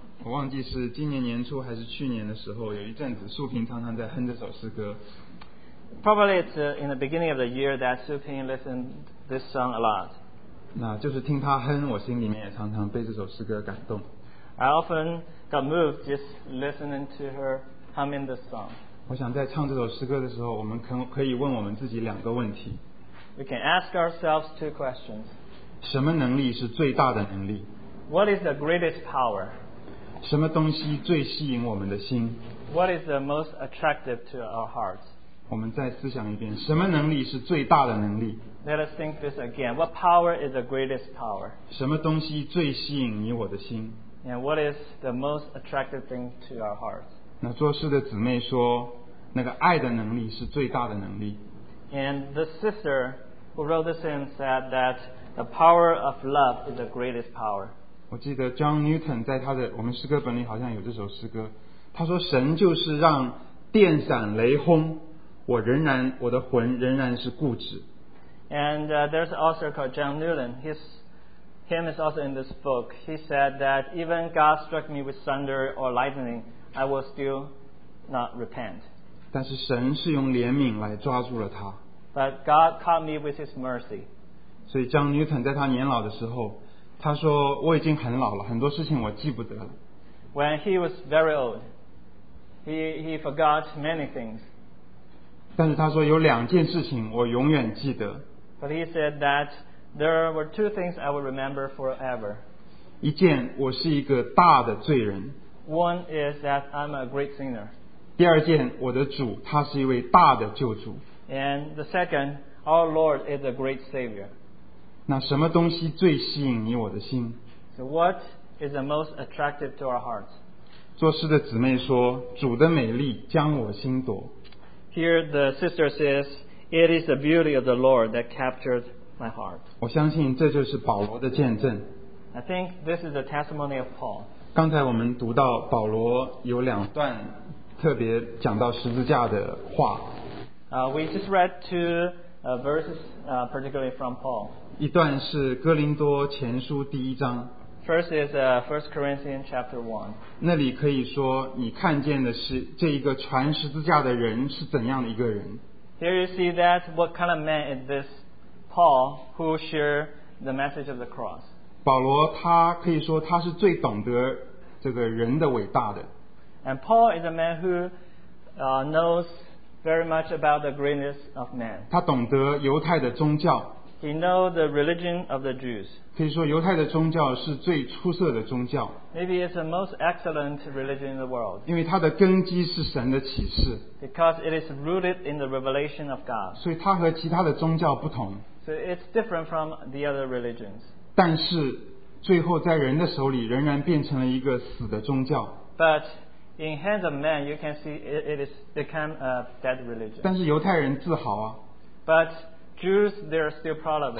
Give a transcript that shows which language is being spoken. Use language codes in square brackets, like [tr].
[zh] 我忘记是今年年初还是去年的时候，有一阵子素萍常常在哼这首诗歌。 [en] Probably it's in the beginning of the year that Su Ping listened this song a lot. [zh] 那就是听他哼，我心里面也常常被这首诗歌感动。 [en] I often got moved just listening to her humming this song. [zh] 我想在唱这首诗歌的时候，我们可以问我们自己两个问题。 [en] We can ask ourselves two questions. [zh] 什么能力是最大的能力？ [en] What is the greatest power? [zh] 什么东西最吸引我们的心？ [en] What is the most attractive to our hearts? [zh] 我们再思想一遍，什么能力是最大的能力？ [en] Let us think this again. What power is the greatest power? [zh] 什么东西最吸引你我的心？ [en] And what is the most attractive thing to our hearts? [zh] 那做事的姊妹说，那个爱的能力是最大的能力。 [en] And the sister who wrote this in said that the power of love is the greatest power. [zh] 我记得 John Newton 在他的我们诗歌本里好像有这首诗歌，他说神就是让电闪雷轰，我的魂仍然是固执。 [en] And there's an author called John Newton. Him is also in this book. He said that even God struck me with thunder or lightning, I will still not repent. [zh] 但是神是用怜悯来抓住了他。 [en] But God caught me with His mercy. [zh] 所以John Newton在他年老的时候，他说我已经很老了，很多事情我记不得了。 [en] When he was very old, he forgot many things. [zh] 但是他说有两件事情我永远记得。 [en] But he said that there were two things I will remember forever. [zh] 一件，我是一个大的罪人。 [en] One is that I'm a great sinner. [zh] 第二件，我的主他是一位大的救主。 [en] And the second, our Lord is a great Savior. [zh] 那什么东西最吸引你我的心？ [en] So what is the most attractive to our hearts? [zh] 做事的姊妹说，主的美丽将我心夺。 [en] Here the sister says, it is the beauty of the Lord that captured my heart. [zh] 我相信这就是保罗的见证。 [en] I think this is the testimony of Paul. [zh] 刚才我们读到保罗有两段特别讲到十字架的话。 [en] We just read two verses, particularly from Paul. [zh] 一段是哥林多前书第一章。 [en] First is First Corinthians chapter one. [zh] 那里可以说，你看见的是这一个传十字架的人是怎样的一个人。 [en] Here you see that what kind of man is this Paul who shared the message of the cross. [zh] 保罗他可以说他是最懂得这个人的伟大的。 [en] And Paul is a man who knows very much about the greatness of man. [zh] 他懂得犹太的宗教。 [en] He knows the religion of the Jews. [zh] 可以说犹太的宗教是最出色的宗教。 [en] Maybe it's the most excellent religion in the world. [zh] 因为它的根基是神的启示。 [en] Because it is rooted in the revelation of God. [zh] 所以它和其他的宗教不同。 [en] So it's different from the other religions. [zh] 但是最后在人的手里仍然变成了一个死的宗教。 [en] But in hands of man, you can see it is become a dead religion. [zh] 但是犹太人自豪啊。 [en] But Jews, they are still proud of it.